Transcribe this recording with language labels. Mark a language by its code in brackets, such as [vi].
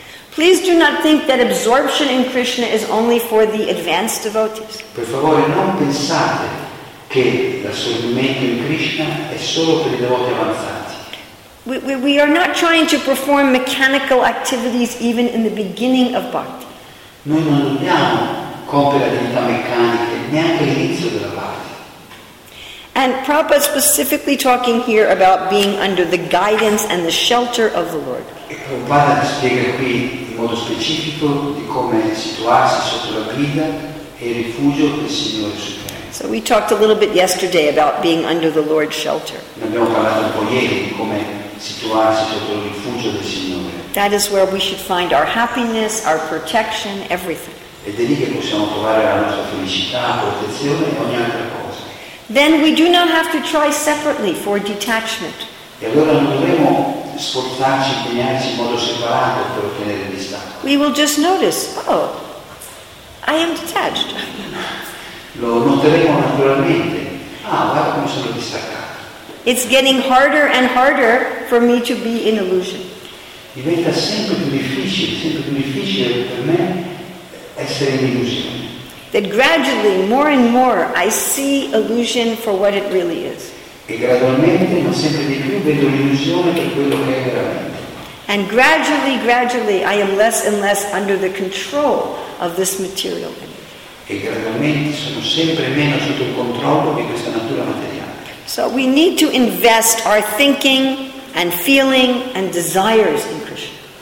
[en] please do not think that absorption in Krishna is only for the advanced devotees. [it] Per favore non pensate che l'assorbimento in Krishna è solo per i devoti avanzati. [en] We are not trying to perform mechanical activities even in the beginning of bhakti. [it] Noi non dobbiamo compiere attività meccaniche neanche all'inizio della bhakti. [en] And Prabhupada is specifically talking here about being under the guidance and the shelter of the Lord. [it] E Prabhupada spiega qui in modo specifico di come situarsi sotto la guida e il rifugio del Signore Supremo. [en] So we talked a little bit yesterday about being under the Lord's shelter. [it] Ne abbiamo parlato un po' ieri di come situarsi sotto il rifugio del Signore. [en] That is where we should find our happiness, our protection, everything. [it] Ed è lì che possiamo trovare la nostra felicità, protezione e ogni altra cosa. [en] Then we do not have to try separately for detachment. [it] E allora non dovremo sforzarci, impegnarci in modo separato per ottenere distacco. [en] We will just notice, oh, I am detached. [it] Lo noteremo naturalmente. Ah, guarda come sono distaccato. [en] It's getting harder and harder for me to be in illusion. [it] Diventa sempre più difficile per me essere in illusione. [en] That gradually, more and more, I see illusion for what it really is. [it] E gradualmente, ma sempre di più, vedo l'illusione per quello che è veramente. [en] And gradually, gradually, I am less and less under the control of this material energy. [it] E gradualmente sono sempre meno sotto il controllo di questa natura materiale. [en] So we need to invest our thinking and feeling and desires in Krishna.